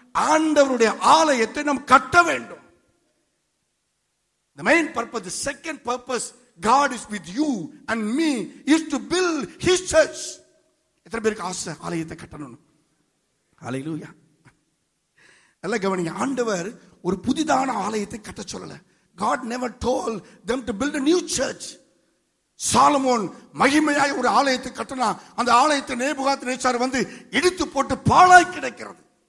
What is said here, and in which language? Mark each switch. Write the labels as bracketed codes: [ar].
[ta] ஆண்டவருடைய ஆலயத்தை நாம் கட்ட வேண்டும். [en] The main purpose, the second purpose, God is with you and me, is to build His church. [ta] எத்தனை பேருக்கு ஆசை ஆலயத்தை கட்டணும்? ஹல்லேலூயா. நல்லா கவனிங்க, ஆண்டவர் ஒரு புதிதான ஆலயத்தை கட்ட சொல்லல. [en] God never told them to build a new church. [ta] Solomon மகிமையாய் ஒரு ஆலயத்தை கட்டினான். அந்த ஆலயத்தை நேபுகாத்நேச்சார் வந்து இடித்து போட்டு பாழாய் கிடக்கிறது.